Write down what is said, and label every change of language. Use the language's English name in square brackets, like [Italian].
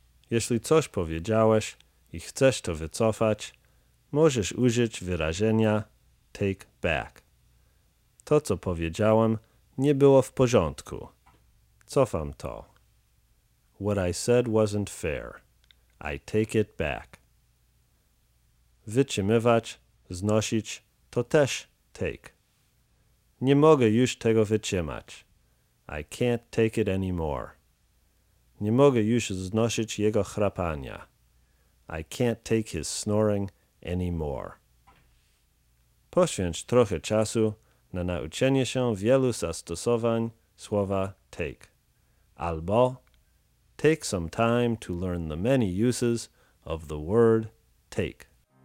[Polish] Jeśli coś powiedziałeś i chcesz to wycofać, możesz użyć wyrażenia take back. To, co powiedziałem, nie było w porządku. Cofam to. [English] What I said wasn't fair. I take it back. [Polish] Wytrzymywać, znosić, to też take. Nie mogę już tego wytrzymać. [English] I can't take it anymore. [Polish] Nie mogę już znosić jego chrapania. [English] I can't take his snoring anymore. [Polish] Poświęć trochę czasu na nauczenie się wielu zastosowań słowa take. [English] Albo take some time to learn the many uses of the word take.